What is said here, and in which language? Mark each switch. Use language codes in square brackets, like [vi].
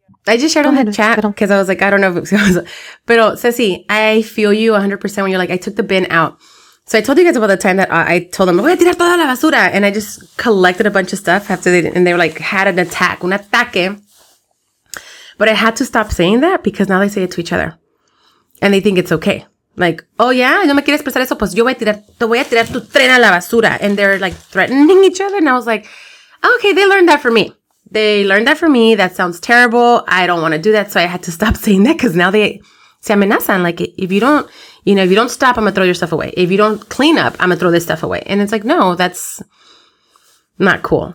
[en] I just shared the chat because I was like, I don't know. But Ceci, I feel you 100% when you're like, I took the bin out. So I told you guys about the time that I told them, [es] voy a tirar toda la basura. [en] And I just collected a bunch of stuff after they were like, had an attack, [es] un ataque. [en] But I had to stop saying that because now they say it to each other and they think it's okay. Like, oh yeah, [es] no me quieres prestar eso, pues yo voy a tirar tu tren a la basura. [en] And they're like threatening each other. And I was like, okay, they learned that from me. That sounds terrible. I don't want to do that. So I had to stop saying that because now they [es] se amenazan. [en] Like, if you don't, you know, if you don't stop, I'm going to throw your stuff away. If you don't clean up, I'm going to throw this stuff away. And it's like, no, that's not cool.